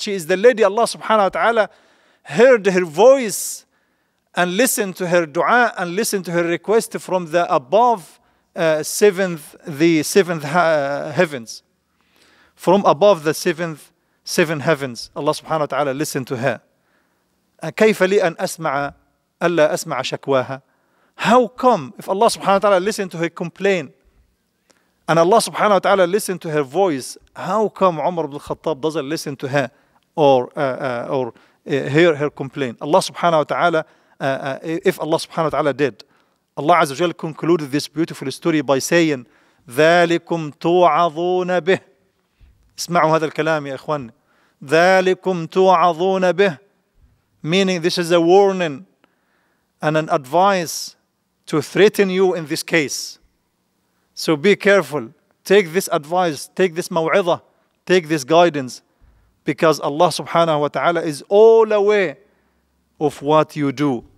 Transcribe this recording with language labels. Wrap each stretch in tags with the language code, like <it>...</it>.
<en>She is the lady Allah subhanahu wa ta'ala heard her voice and listened to her dua and listened to her request from the above heavens, from above the seven heavens. Allah subhanahu wa ta'ala listened to her.</en> <ar>كيف لي أن أسمع ألا أسمع شكواها.</ar> <en>How come if Allah subhanahu wa ta'ala listened to her complaint and Allah subhanahu wa ta'ala listened to her voice, how come Umar ibn al-Khattab doesn't listen to her or hear her complaint? Allah subhanahu wa ta'ala, if Allah subhanahu wa ta'ala did, Allah Azza wa Jalla concluded this beautiful story by saying,</en> <ar>ذَلِكُمْ تُوعَظُونَ بِهِ. اسمعوا هذا الكلام يا إخوان. ذَلِكُمْ تُوعَظُونَ بِهِ.</ar> <en>Meaning this is a warning and an advice to threaten you in this case. So be careful. Take this advice. Take this maw'idha. Take this guidance. Because Allah subhanahu wa ta'ala is all aware of what you do.</en>